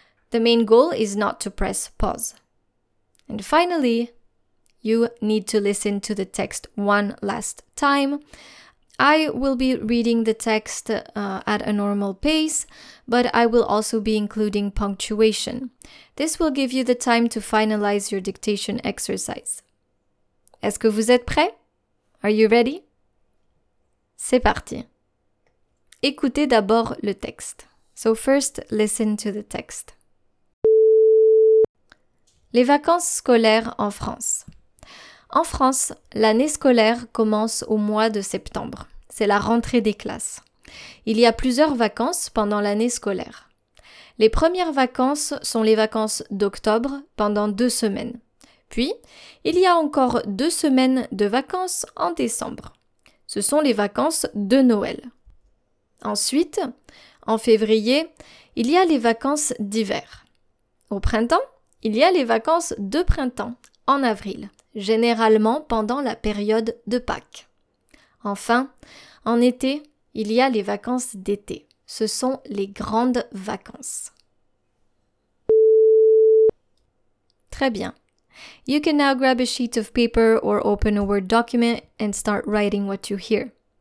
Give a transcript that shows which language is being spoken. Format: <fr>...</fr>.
<en>The main goal is not to press pause. And finally, you need to listen to the text one last time. I will be reading the text at a normal pace, but I will also be including punctuation. This will give you the time to finalize your dictation exercise.</en> <fr>Est-ce que vous êtes prêts?</fr> <en>Are you ready?</en> <fr>C'est parti. Écoutez d'abord le texte.</fr> <en>So first, listen to the text.</en> <fr>Les vacances scolaires en France. En France, l'année scolaire commence au mois de septembre. C'est la rentrée des classes. Il y a plusieurs vacances pendant l'année scolaire. Les premières vacances sont les vacances d'octobre pendant 2 semaines. Puis, il y a encore 2 semaines de vacances en décembre. Ce sont les vacances de Noël. Ensuite, en février, il y a les vacances d'hiver. Au printemps, il y a les vacances de printemps, en avril, généralement pendant la période de Pâques. Enfin, en été, il y a les vacances d'été. Ce sont les grandes vacances. Très bien.</fr> <en>You can now grab a sheet of paper or open a Word document and start writing what you hear.</en>